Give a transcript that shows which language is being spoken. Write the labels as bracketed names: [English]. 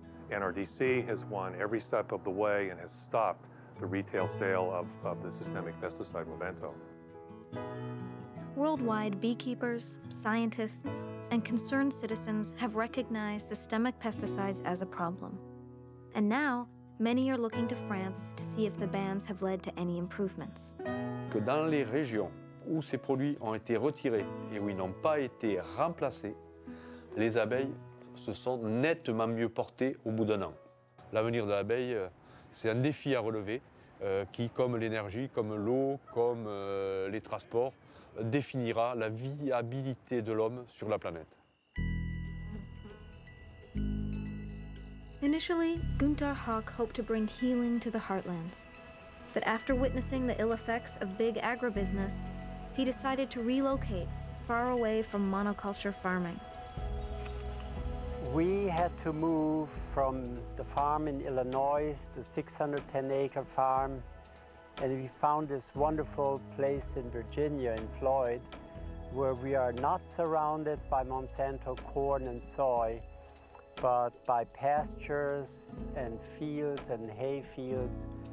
[English] NRDC has won every step of the way and has stopped the retail sale of the systemic pesticide Movento. Worldwide, beekeepers, scientists, and concerned citizens have recognized systemic pesticides as a problem. And now, many are looking to France to see if the bans have led to any improvements. [French] Que dans les régions où ces produits ont été retirés et où ils n'ont pas été remplacés, les abeilles se sont nettement mieux portées au bout d'un an. L'avenir de l'abeille, c'est un défi à relever qui, comme l'énergie, comme l'eau, comme les transports, définira la viabilité de l'homme sur la planète. [English] Initially, Gunther Hawk hoped to bring healing to the heartlands. But after witnessing the ill effects of big agribusiness, he decided to relocate far away from monoculture farming. We had to move from the farm in Illinois, the 610-acre farm, and we found this wonderful place in Virginia, in Floyd, where we are not surrounded by Monsanto corn and soy, but by pastures and fields and hay fields.